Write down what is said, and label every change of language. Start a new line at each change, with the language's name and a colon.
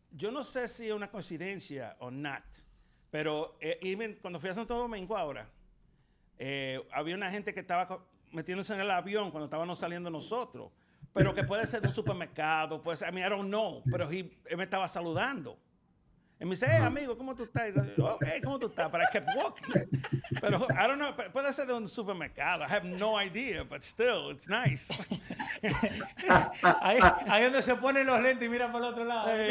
Spanish: Yo no sé si es una coincidencia o not, pero cuando fui a Santo Domingo ahora, había una gente que estaba metiéndose en el avión cuando estábamos saliendo nosotros, pero que puede ser de un supermercado, puede ser,
English: I don't know,
Spanish: pero él me estaba saludando. Y me dice, hey, amigo, ¿cómo tú estás? Pero
English: I kept walking.
Spanish: Pero
English: I don't know,
Spanish: puede ser de un supermercado.
English: I have no idea, but still, it's nice.
Spanish: ahí donde se ponen los lentes y miran para el otro lado.